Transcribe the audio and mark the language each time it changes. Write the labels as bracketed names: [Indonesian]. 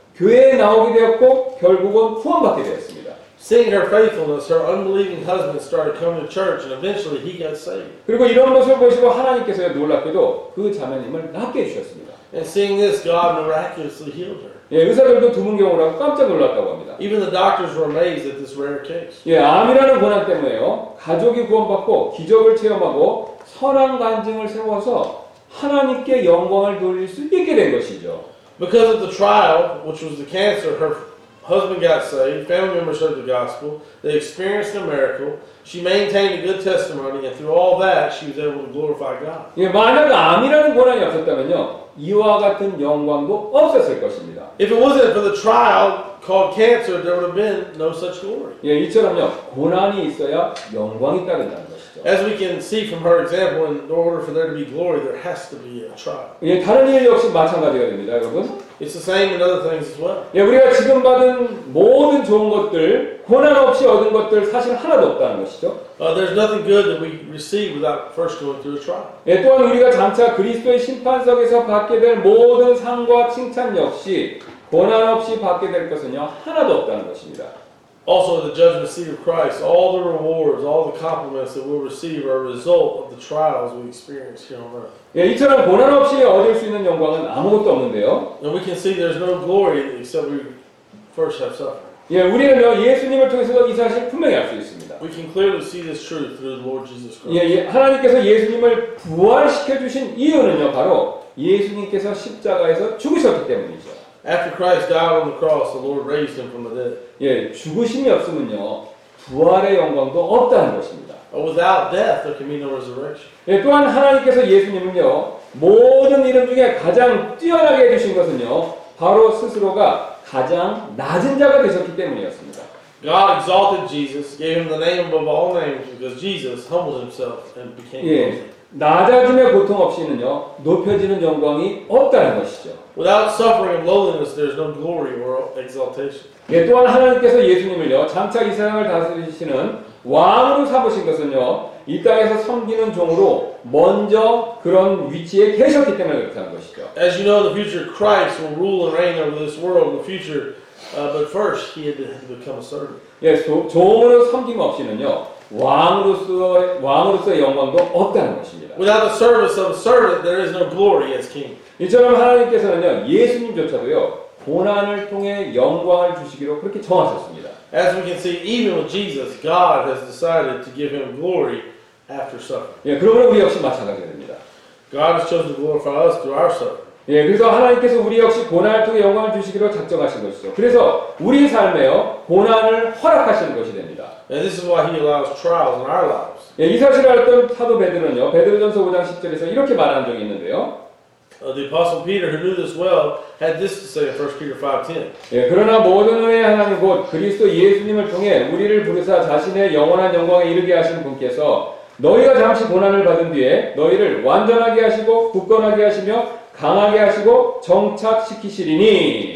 [Korean] 교회에 나오게 되었고 결국은 후원받게 되었습니다. [English] Seeing her faithfulness, her unbelieving husband started coming to church, and eventually he got saved. [Korean] 그리고 이런 모습을 보시고 하나님께서 놀랍게도 그 자매님을 낫게 해주셨습니다. [English] And seeing this, God miraculously healed her. [Korean] 예, 의사들도 드문 경우라고 깜짝 놀랐다고 합니다. [English] Even the doctors were amazed at this rare case. [Korean] 예, 암이라는 고난 때문에요 가족이 구원받고 기적을 체험하고 선한 간증을 세워서 하나님께 영광을 돌릴 수 있게 된 것이죠. [English] Because of the trial, which was the cancer, her husband got saved, family members heard the gospel, they experienced a miracle, she maintained a good testimony, and through all that, she was able to glorify God. [Korean] 예, 만약 암이라는 고난이 없었다면요, 이와 같은 영광도 없었을 것입니다. [English] If it wasn't for the trial called cancer, there would have been no such glory. [Korean] 예, 이처럼요, 고난이 있어야 영광이 따른다는 것. [English] As we can see from her example, in order for there to be glory, there has to be a trial. [Korean] 예, 다른 일 역시 마찬가지가 됩니다, 여러분. [English] It's the same in other things as well. [Korean] 예, 우리가 지금 받은 모든 좋은 것들, 고난 없이 얻은 것들 사실 하나도 없다는 것이죠. [English] There's nothing good that we receive without first going through a trial. [Korean] 예, 또한 우리가 장차 그리스도의 심판석에서 받게 될 모든 상과 칭찬 역시 고난 없이 받게 될 것은요 하나도 없다는 것입니다. [English] Also, the judgment seat of Christ, all the rewards, all the compliments that we'll receive are a result of the trials we experience here on earth. [Korean] 예, 이처럼 고난 없이 얻을 수 있는 영광은 아무것도 없는데요. [English] And we can see there's no glory except we first have suffered. [Korean] 예, 우리는요 예수님을 통해서도 이 사실 분명히 알 수 있습니다. [English] We can clearly see this truth through the Lord Jesus Christ. [Korean] 예, 하나님께서 예수님을 부활시켜 주신 이유는요 바로 예수님께서 십자가에서 죽으셨기 때문이죠. [English] After Christ died on the cross, the Lord raised him from the dead. [Korean] 예, 죽으심이 없으면요, 부활의 영광도 없다는 것입니다. [English] Without death, there can be no resurrection. [Korean] 예, 또한 하나님께서 예수님은요, 모든 이름 중에 가장 뛰어나게 해주신 것은요, 바로 스스로가 가장 낮은 자가 되셨기 때문이었습니다. [English] God exalted Jesus, gave him the name above all names, because Jesus humbled himself and became lowly. [Korean] 낮아짐의 고통 없이는요, 높여지는 영광이 없다는 것이죠. [English] Without suffering and lowliness, there's no glory or exaltation. [Korean] 예, 또한 하나님께서 예수님을요, 장차 이 세상을 다스리시는 왕으로 삼으신 것은요, 이 땅에서 섬기는 종으로 먼저 그런 위치에 계셨기 때문에 그렇다는 것이죠. [English] As you know, the future Christ will rule and reign over this world in the future, but first he had to become a servant. [Korean] 예, 종으로 섬김 없이는요, 왕으로서의 영광도 없다는 것입니다. [English] Without the service of a servant, there is no glory as king. [Korean] 이처럼 하나님께서는요, 예수님조차도요, 고난을 통해 영광을 주시기로 그렇게 정하셨습니다. [English] As we can see, even with Jesus, God has decided to give him glory after suffering. [Korean] 예, 그러므로 우리 역시 마찬가지가 됩니다. [English] God has chosen to glorify us through our suffering. [Korean] 예, 그래서 하나님께서 우리 역시 고난을 통해 영광을 주시기로 작정하신 것이죠. 그래서 우리 삶에요, 고난을 허락하시는 것이 됩니다. [English] And this is why he allows trials in our lives. [Korean] 예, 이 사실을 알던 사도 베드로는요, 베드로전서 5장 10절에서 이렇게 말한 적이 있는데요. [English] The apostle Peter, who knew this well, had this to say in 1 Peter 5:10. [Korean] 예, 그러나 모든 은혜의 하나님 곧 그리스도 예수님을 통해 우리를 부르사 자신의 영원한 영광에 이르게 하신 분께서 너희가 잠시 고난을 받은 뒤에 너희를 완전하게 하시고 굳건하게 하시며 강하게 하시고 정착시키시리니.